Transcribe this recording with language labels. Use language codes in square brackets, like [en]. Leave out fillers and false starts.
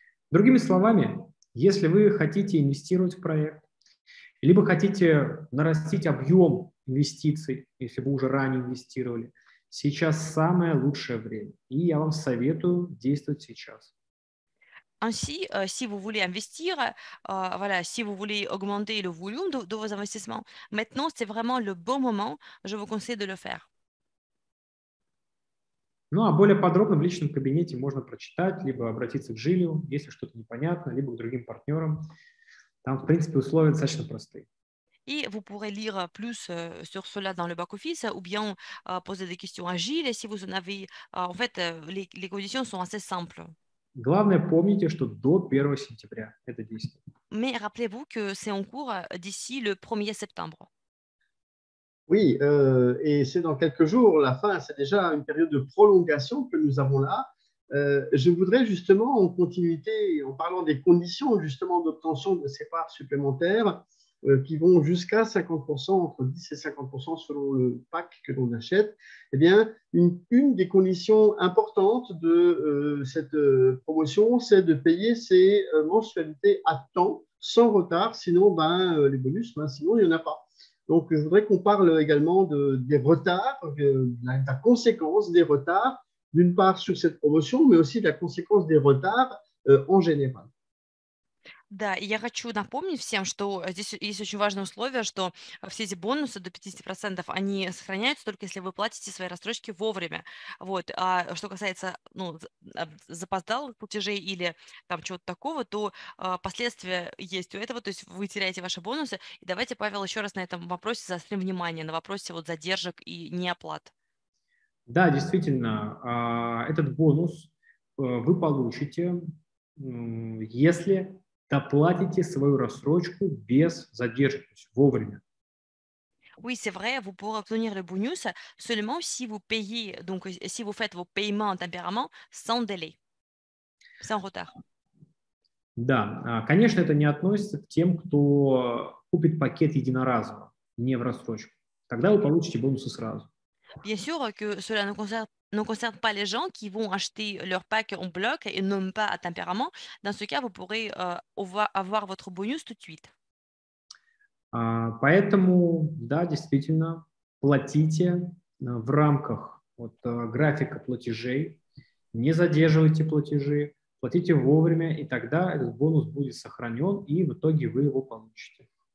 [ru] Другими словами, если вы хотите инвестировать в проект, либо хотите нарастить объем инвестиций, если вы уже ранее инвестировали, сейчас самое лучшее время. И я вам советую действовать сейчас. [fr] Ainsi, si vous voulez investir, si vous voulez augmenter le volume de vos investissements, maintenant, c'est vraiment le bon moment. Je vous conseille de le faire. [ru] Ну, а более подробно в личном кабинете можно прочитать, либо обратиться к Жилю, если что-то непонятно, либо к другим партнерам. Там, в принципе, условия достаточно простые. [fr] Et vous pourrez lire plus sur cela dans le back-office ou bien poser des questions à Gilles si vous en avez. Les conditions sont assez simples. [ru] Главное, помните, что до 1 сентября это действует. [fr] Mais rappelez-vous que c'est en cours d'ici le 1er septembre. Oui, et c'est dans quelques jours, la fin, c'est déjà une période de prolongation que nous avons là. Je voudrais justement, en continuité, en parlant des conditions justement d'obtention de ces parts supplémentaires qui vont jusqu'à 50%, entre 10 et 50% selon le pack que l'on achète, eh bien, une des conditions importantes de cette promotion, c'est de payer ses mensualités à temps, sans retard, sinon, les bonus, sinon, il n'y en a pas. Donc, je voudrais qu'on parle également des retards, de la conséquence des retards, d'une part sur cette promotion, mais aussi de la conséquence des retards en général. [ru] Да, и я хочу напомнить всем, что здесь есть очень важное условие, что все эти бонусы до 50%, они сохраняются только если вы платите свои рассрочки вовремя. Вот. А что касается запоздалых платежей или там чего-то такого, то последствия есть у этого, то есть вы теряете ваши бонусы. И давайте, Павел, еще раз на этом вопросе заострим внимание, на вопросе задержек и неоплат. Да, действительно, этот бонус вы получите, если доплатите свою рассрочку без задержек, то есть вовремя. [fr] Oui, c'est vrai, vous pourrez obtenir le bonus seulement si vous payez, donc si vous faites vos paiements tempérament sans délai, sans retard. [ru] Да, конечно, это не относится к тем, кто купит пакет единоразово, не в рассрочку. Тогда вы получите бонусы сразу. [fr] Bien sûr que cela ne concerne pas les gens qui vont acheter leur pack en bloc et non pas à tempérament. Dans ce cas, vous pourrez avoir votre bonus tout de suite. [ru] Поэтому, да, действительно, платите в рамках вот, графика платежей, не задерживайте платежи, платите вовремя, и тогда этот бонус будет сохранен, и в итоге вы его получите.